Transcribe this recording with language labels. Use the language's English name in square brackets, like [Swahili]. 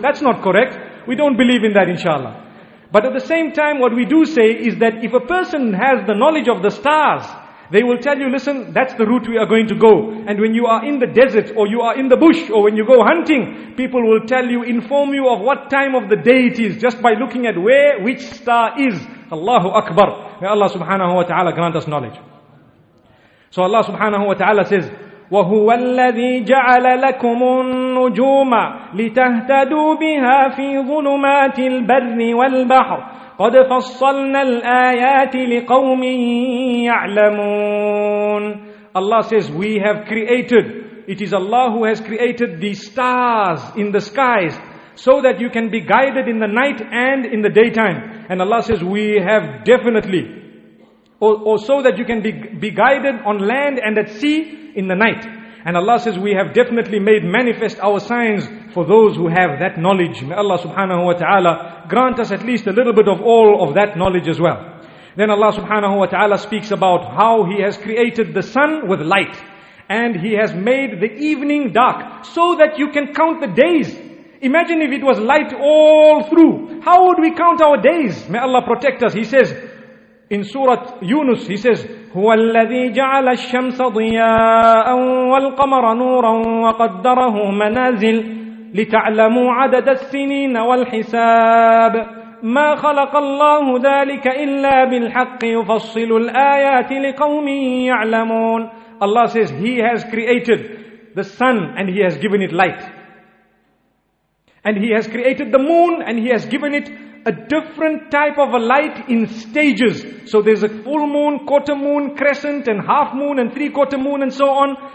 [English] That's not correct. We don't believe in that, inshallah. But at the same time, what we do say is that if a person has the knowledge of the stars, they will tell you, listen, that's the route we are going to go. And when you are in the desert, or you are in the bush, or when you go hunting, people will tell you, inform you of what time of the day it is, just by looking at where which star is. Allahu Akbar. May Allah subhanahu wa ta'ala grant us knowledge. [Arabic] So Allah subhanahu wa ta'ala says, وَهُوَ الَّذِي جَعَلَ لَكُمُ النُّجُومَ لِتَهْتَدُوا بِهَا فِي ظُلُمَاتِ الْبَرِّ وَالْبَحْرِ قَدْ فَصَّلْنَا الْآيَاتِ لِقَوْمٍ يَعْلَمُونَ. [English] Allah says, we have created, it is Allah who has created the stars in the skies so that you can be guided in the night and in the daytime. And Allah says, we have definitely, or so that you can be guided on land and at sea in the night. And Allah says, we have definitely made manifest our signs for those who have that knowledge. May Allah subhanahu wa ta'ala grant us at least a little bit of all of that knowledge as well. Then Allah subhanahu wa ta'ala speaks about how He has created the sun with light, and He has made the evening dark so that you can count the days. Imagine if it was light all through. How would we count our days? [Arabic] May Allah protect us. He says in Surah Yunus, He says, هُوَ الَّذِي جَعَلَ الشَّمْسَ ضِيَاءً وَالْقَمَرَ نُورًا وَقَدَّرَهُ مَنَازِلٍ لِتَعْلَمُوا عَدَدَ السِّنِينَ وَالْحِسَابِ مَا خَلَقَ اللَّهُ ذَلِكَ إِلَّا بِالْحَقِّ يُفَصِّلُ الْآيَاتِ لِقَوْمٍ يَعْلَمُونَ. [English] Allah says, He has created the sun and He has given it light. And He has created the moon and He has given it a different type of a light in stages. So there's a full moon, quarter moon, crescent, and half moon, and three quarter moon, and so on.